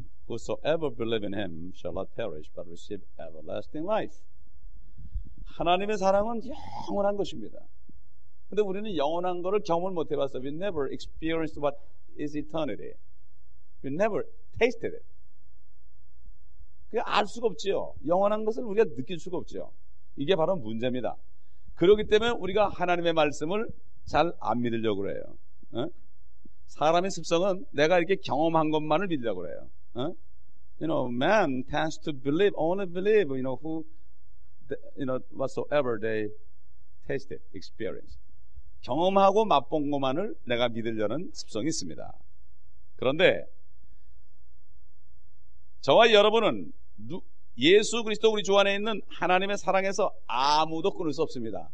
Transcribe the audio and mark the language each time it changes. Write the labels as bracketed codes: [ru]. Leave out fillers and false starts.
[en] Whosoever believe in him shall not perish but receive everlasting life. [ko] 하나님의 사랑은 영원한 것입니다. 근데 우리는 영원한 것을 경험을 못 해봤어. [en] We never experienced what is eternity. We never tasted it. [ko] 그게 알 수가 없지요. 영원한 것을 우리가 느낄 수가 없지요. 이게 바로 문제입니다. 그렇기 때문에 우리가 하나님의 말씀을 잘 안 믿으려고 그래요. 사람의 습성은 내가 이렇게 경험한 것만을 믿으려고 그래요. [en] You know, man tends to believe, only believe, you know, who, you know, whatsoever they tasted, experienced. [ko] 경험하고 맛본 것만을 내가 믿으려는 습성이 있습니다. 그런데 저와 여러분은 예수 그리스도 우리 주 안에 있는 하나님의 사랑에서 아무도 끊을 수 없습니다.